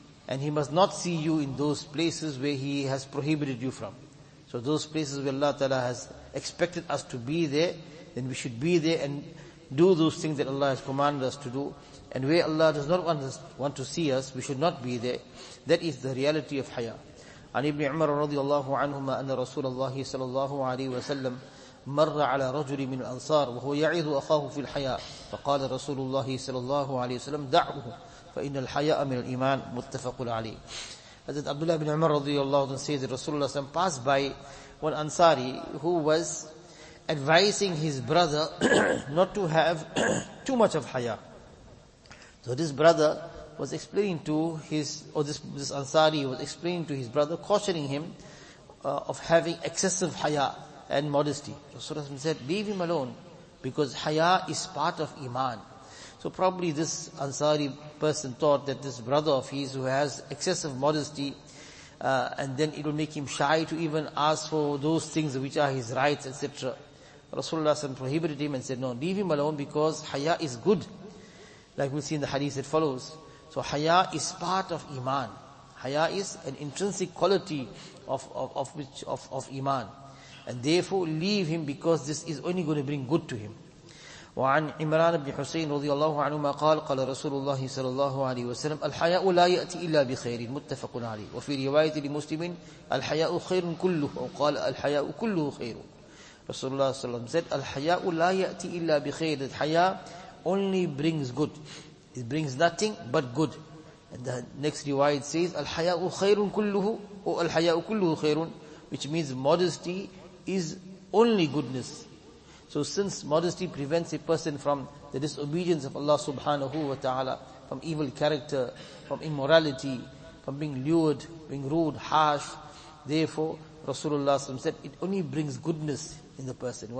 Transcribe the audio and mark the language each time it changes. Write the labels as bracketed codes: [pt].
[en] And he must not see you in those places where he has prohibited you from. So those places where Allah Ta'ala has expected us to be there, then we should be there and do those things that Allah has commanded us to do. And where Allah does not want to see us, we should not be there. That is the reality of haya. [ar] عن ابن عمر رضي الله عنهما أن رسول الله صلى الله عليه وسلم مر على رجل من الأنصار وهو يعظ أخاه في الحياء فقال رسول الله صلى الله عليه وسلم دعه فإن الحياء من الإيمان متفق عليه. [en] حضرت عبد الله بن عمر رضي الله عنه سيد رسول الله صلى الله عليه وسلم passed by one Ansari who was advising his brother not to have too much of haya. So this brother was explaining to his, or this Ansari was explaining to his brother, cautioning him of having excessive haya and modesty. Rasulullah said, leave him alone, because haya is part of iman. So probably this Ansari person thought that this brother of his who has excessive modesty, and then it will make him shy to even ask for those things which are his rights, etc. Rasulullah prohibited him and said, no, leave him alone, because haya is good. Like we see in the hadith that follows. So haya is part of iman. Haya is an intrinsic quality of iman. And therefore leave him, because this is only going to bring good to him. [ar] وعن عمران بن حسين رضي الله عنهما قال قال رسول الله صلى الله عليه وسلم الحياء لا يأتي إلا بخير متفق عليه وفي رواية لمسلم الحياء خير كله وقال الحياء كله خير. رسول الله صلى الله عليه وسلم [en] said [ar] الحياء لا يأتي إلا بخير. [en] That haya only brings good. It brings nothing but good. And the next riwayat says, [ar] Al-Haya'u khayrun kulluhu, [en] or [ar] Al-Haya'u kulluhu khayrun, [en] which means modesty is only goodness. So since modesty prevents a person from the disobedience of Allah subhanahu wa ta'ala, from evil character, from immorality, from being lewd, being rude, harsh, therefore Rasulullah said, it only brings goodness in the person.